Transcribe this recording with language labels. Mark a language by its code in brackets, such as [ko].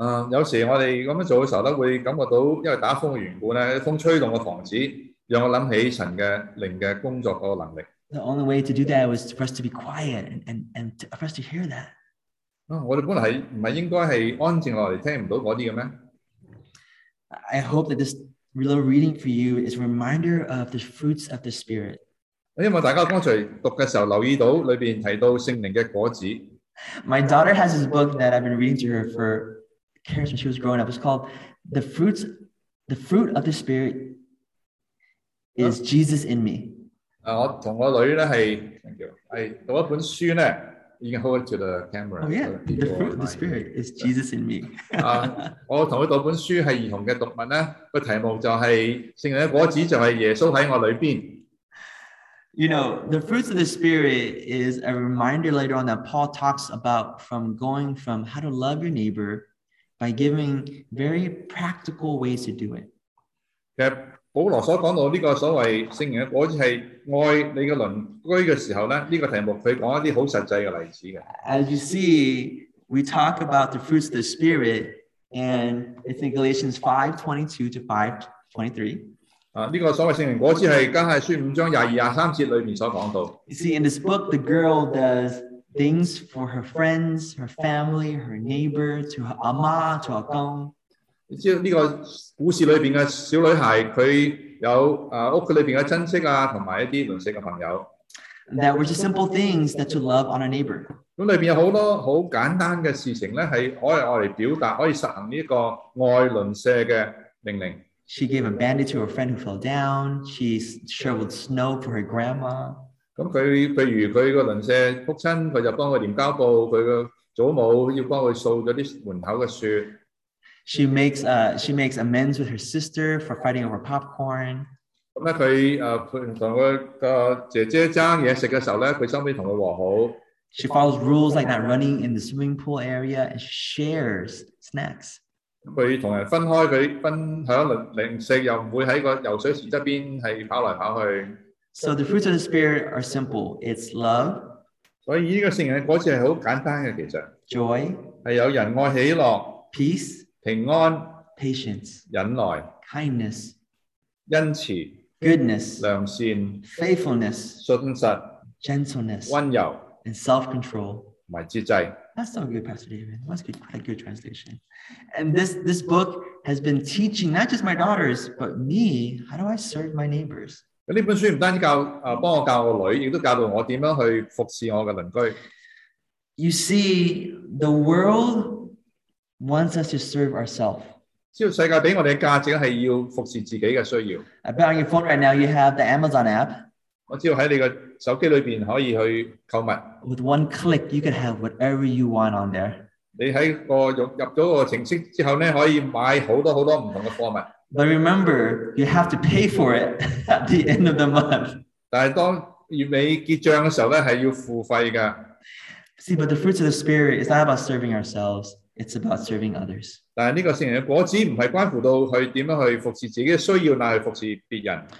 [yue] 有時我哋咁樣做嘅時候咧，會感覺到因為打風嘅緣故咧，風吹動個房子，讓我諗起神嘅靈嘅工作嗰個能力。 [en] The only way to do that was for us to be quiet and for us to hear that. [yue] 我哋本來係唔係應該係安靜落嚟聽唔到嗰啲嘅咩 [en] ？I hope that this little reading for you is a reminder of the fruits of the Spirit. [yue] 因為大家剛才讀嘅時候留意到裏邊提到聖靈嘅果子。 [en] My daughter has this book that I've been reading to her for years when she was growing up. It's called The Fruit of the Spirit is Jesus in Me. [yue] 我同我女咧係 ， [en] thank you， [yue] 係讀一本書咧。 [en] You can hold it to the camera. Oh, yeah. The fruit of the Spirit is Jesus in me. [yue] 我同佢讀本書係兒童嘅讀物咧，個題目就係聖靈嘅果子就係耶穌喺我裏邊。 [en] You know, the fruits of the Spirit is a reminder later on that Paul talks about from going from how to love your neighbor by giving very practical ways to do it. [yue] 其實保羅所講到呢個所謂聖靈嘅果子係。爱你嘅邻居嘅时候咧，呢个题目佢讲一啲好实际嘅例子嘅。 [en] As you see, we talk about the fruits of the Spirit, and it's in Galatians 5:22-5:23. [yue] 呢个所谓圣灵果子系加太书五章廿二廿三节里面所讲到。 [en] You see, in this book, the girl does things for her friends, her family, her neighbor, to her 阿妈 to her 阿公。 [yue] 你知呢个故事里边嘅小女孩佢。有屋企裏邊嘅親戚啊，同埋一啲鄰舍嘅朋友。 [en] That were just simple things that to love on a neighbor。 [yue] 咁裏邊有好多好簡單嘅事情咧，係可以愛嚟表達，可以實行呢個愛鄰舍嘅命令。 [en] She gave a bandage to her friend who fell down. She shoveled snow for her grandma。 [yue] 咁佢譬如佢個鄰舍哭親，佢就幫佢黏膠布。佢個祖母要幫佢掃咗啲門口嘅雪。 [en] She makes amends with her sister for fighting over popcorn. [yue] 咁咧，佢同佢個姐姐爭嘢食嘅時候咧，佢收尾同佢和好。 [en] She follows rules like not running in the swimming pool area and shares snacks. [yue] 佢同人分開，佢分享零食，又唔會喺個游水池側邊係跑來跑去。 [en] So the fruits of the Spirit are simple. It's love. [yue] 所以呢個聖靈嘅果子係好簡單嘅，其實。 [en] Joy. [yue] 係有仁愛喜樂。 [en] Peace. [yue] 平安 [en] patience [yue] 忍耐 [en] kindness [yue] 恩慈 [en] goodness [yue] 良善 [en] faithfulness [yue] 信实 [en] gentleness [yue] 温柔 [en] and self-control [yue] 同埋节制 [en] That's so good, Pastor David. That's good, quite a good translation. And this book has been teaching not just my daughters, but me, how do I serve my neighbors? [yue] 呢本书唔单止帮我教我女，亦都教到我点样去服侍我嘅邻居。 [en] You see, the world. Wants us to serve ourselves. [yue] 知道世界俾我哋嘅价值系要服侍自己嘅需要。 [en] I bet on your phone right now you have the Amazon app. [yue] 我知道喺你嘅手机里边可以去购物。 [en] With one click, you can have whatever you want on there. [yue] 你喺个入咗个程式之后咧，可以买好多好多唔同嘅货物。 [en] But remember, you have to pay for it at the end of the month. [yue] 但系当月尾结账嘅时候咧，系要付费嘅。 [en] See, but the fruits of the Spirit is not about serving ourselves. It's about serving others. [yue] 但呢个圣灵嘅果子唔系关乎到去点样去服侍自己嘅需要，乃系服侍别人。